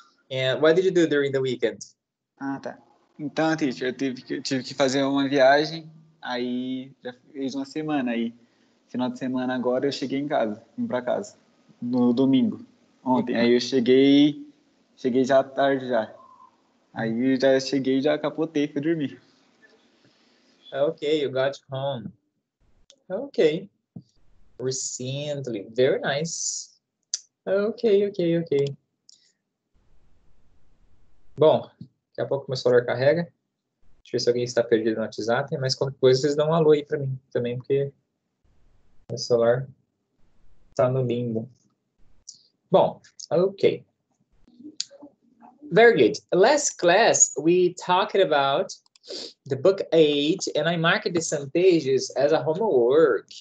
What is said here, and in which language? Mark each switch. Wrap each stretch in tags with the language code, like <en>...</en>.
<en>And what did you do during the weekend?</en> <pt>Ah, tá. Então, teacher, eu tive que fazer uma viagem, aí já fiz uma semana aí. Final de semana agora eu cheguei em casa, vim pra casa, no domingo, ontem. Aí eu cheguei já tarde já. Aí eu já cheguei, já capotei, fui dormir.</pt> <en>Ok, you got home. Ok. Recently, very nice. Ok, ok, ok.</en> <pt>Bom, daqui a pouco meu celular carrega. Deixa eu ver se alguém está perdido no WhatsApp. Mas qualquer coisa, vocês dão um alô aí para mim também, porque meu celular está no limbo.</pt> <en>Bom, ok. Very good. Last class, we talked about the book 8, and I marked some pages as a homework.</en>